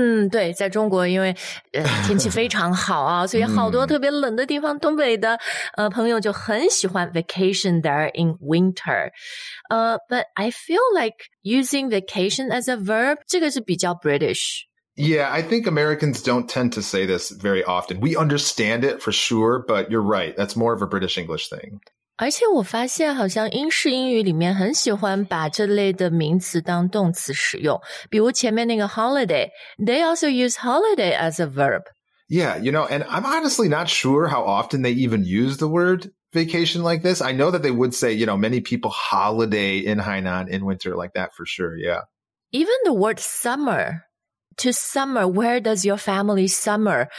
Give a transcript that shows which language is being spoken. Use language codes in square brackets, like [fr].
[zh] 对，在中国因为天气非常好啊，所以好多特别冷的地方，东北的朋友就很喜欢 [en] vacation there in winter. But I feel like using vacation as a verb, [zh] 这个是比较 [en] British. Yeah, I think Americans don't tend to say this very often. We understand it for sure, but you're right. That's more of a British English thing. [zh] 而且我发现好像英式英语里面很喜欢把这类的名词当动词使用。比如前面那个 holiday, [en] they also use holiday as a verb. Yeah, you know, and I'm honestly not sure how often they even use the word vacation like this. I know that they would say, you know, many people holiday in Hainan in winter like that for sure, yeah. Even the word summer... To summer, where does your family summer?